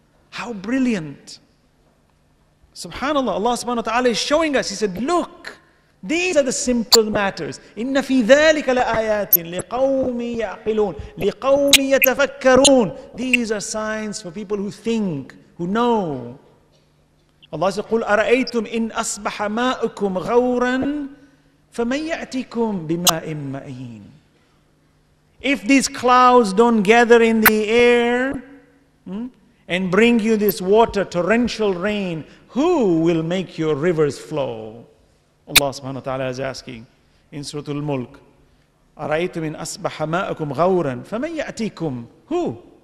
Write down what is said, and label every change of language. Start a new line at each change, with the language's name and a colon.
English: How brilliant. Subhanallah, Allah subhanahu wa ta'ala is showing us. He said, look, these are the simple matters.
Arabic: إِنَّ فِي ذَلِكَ لَآيَاتٍ لِقَوْمِ يَعْقِلُونَ لِقَوْمِ يَتَفَكَّرُونَ.
English: These are signs for people who think, who know. Allah said,
Arabic: قُلْ أَرَأَيْتُمْ إِنْ أَصْبَحَ مَاءُكُمْ غَوْرًا فَمَنْ يَأْتِكُمْ بِمَاءٍ مَّعِينٍ.
English: If these clouds don't gather in the air and bring you this water, torrential rain, who will make your rivers flow? Allah subhanahu wa ta'ala is asking in Suratul Mulk,
Arabic: أَرَأَيْتُ مِنْ أَصْبَحَ مَاءَكُمْ غَوْرًا فَمَنْ يَأْتِيكُمْ.
English: Who?